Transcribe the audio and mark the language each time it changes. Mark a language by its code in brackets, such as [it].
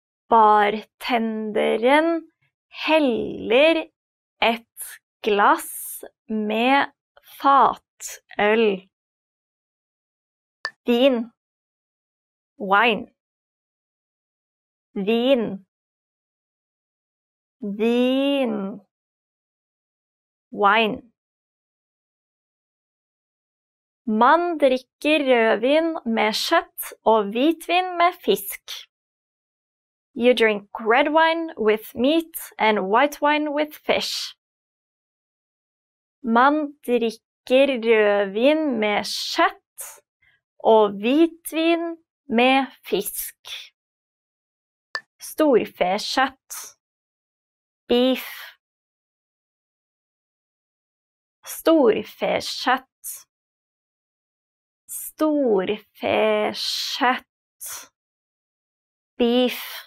[no] Bartenderen heller et glass med fatøl. Vin. [en] Wine. [no] Vin. Vin. [en] Wine. [no] Man drikker rødvin med kjøtt og hvitvin med fisk. [en] You drink red wine with meat and white wine with fish. [no] Man drikker drikker rødvin med kjøtt og hvitvin med fisk. Storfekjøtt. [en] Beef. [no] Storfekjøtt. Storfekjøtt. [en] Beef.